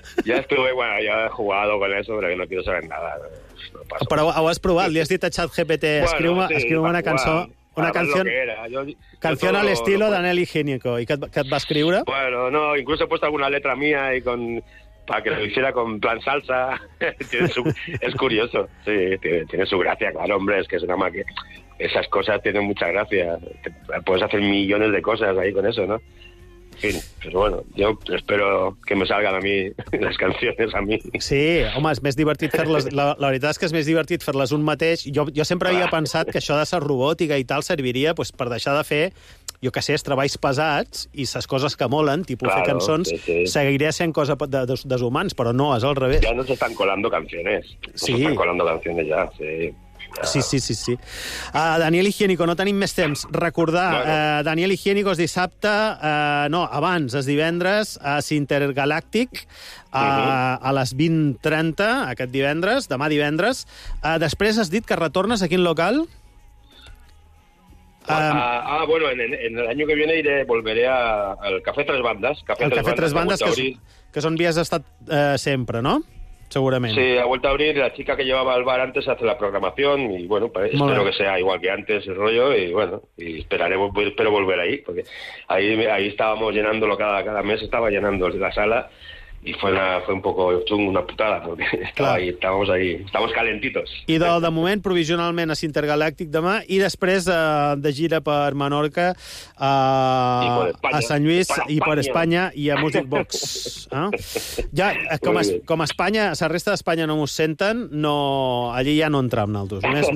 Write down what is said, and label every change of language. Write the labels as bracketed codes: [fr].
[es] Ja he jugado con eso, pero no quiero saber nada. No, [ca] però ho has provat, li has dit a ChatGPT, escriu-me una cançó, una canció [es] al estilo [ca] Daniel Higiénico, i què et va escriure? [es] Bueno, no, incluso he puesto alguna letra mía y con para que lo hiciera con plan salsa. Es curioso, sí, tiene su gracia, claro, hombre, es que es una máquina. Esas cosas tienen mucha gracia, puedes hacer millones de cosas ahí con eso, ¿no? En fin, pues bueno, yo espero que me salgan a mí las canciones a mí. [ca] Sí, home, és més divertit fer-les, la veritat és que és més divertit fer-les un mateix. Jo sempre havia pensat que això de ser robòtica i tal serviria pues, per deixar de fer, jo que sé, els treballs pesats i les coses que molen, tipus claro, fer cançons, sí. Seguiré sent cosa de humans, però no, és al revés. [es] Ya nos están colando canciones. Sí. Nos están colando canciones ya, sí. Sí. [ca] Daniel Higiénico, no tenim més temps. Recordar, Daniel Higiénico és dissabte, no, abans, és divendres, a Intergalàctic, a les 20:30, aquest divendres, demà divendres. Després has dit que retornes a quin local? [es] Bueno, en el año que viene volveré al Café Tres Bandas. [ca] Que és on havies estat sempre, no? Seguramente. [es] Sí, ha vuelto a abrir, la chica que llevaba el bar antes hace la programación y bueno, pues, espero que sea igual que antes el rollo y bueno, y espero volver ahí, porque ahí estábamos llenándolo cada mes, estaba llenando la sala y fue un poco chungo, una putada, porque estábamos calentitos. [ca] I de moment, provisionalment, a Intergalàctic demà i després de gira per Menorca, a Sant Lluís i per Espanya i a Music Box. Ja, com a Espanya, la resta d'Espanya no ens senten, no, allí ja no entrem nosaltres.